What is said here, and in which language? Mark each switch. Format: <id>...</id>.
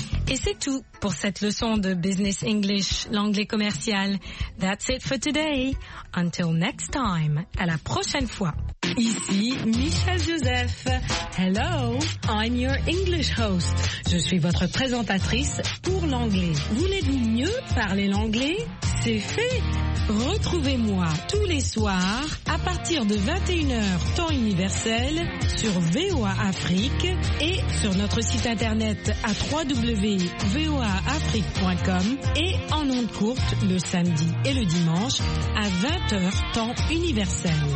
<fr>Et c'est tout pour cette leçon de Business English, l'anglais commercial.</fr> <en>That's it for today. Until next time,</en> <fr>à la prochaine fois. Ici Michel Joseph.</fr> <en>Hello, I'm your English host.</en> <fr>Je suis votre présentatrice pour l'anglais. Voulez-vous mieux parler l'anglais? C'est fait. Retrouvez-moi tous les soirs à partir de 21h temps universel sur VOA Afrique et sur notre site internet à www.voaafrique.com et en ondes courtes le samedi et le dimanche à 20h temps universel.</fr>